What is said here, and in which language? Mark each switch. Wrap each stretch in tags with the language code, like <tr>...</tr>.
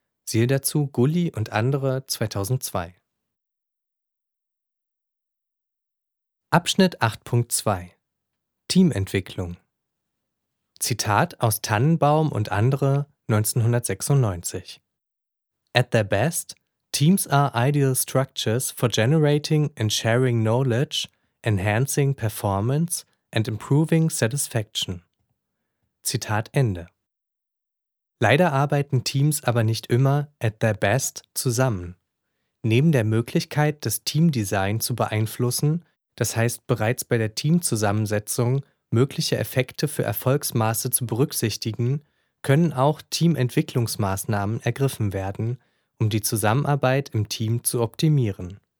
<de>Siehe dazu Gulli und andere 2002. Abschnitt 8.2 Teamentwicklung. Zitat aus Tannenbaum und andere 1996.</de> <en>At their best, teams are ideal structures for generating and sharing knowledge, enhancing performance and improving satisfaction.</en> <de>Zitat Ende. Leider arbeiten Teams aber nicht immer</de> <en>at their best</en> <de>zusammen. Neben der Möglichkeit, das Teamdesign zu beeinflussen, das heißt bereits bei der Teamzusammensetzung mögliche Effekte für Erfolgsmaße zu berücksichtigen, können auch Teamentwicklungsmaßnahmen ergriffen werden, um die Zusammenarbeit im Team zu optimieren.</de>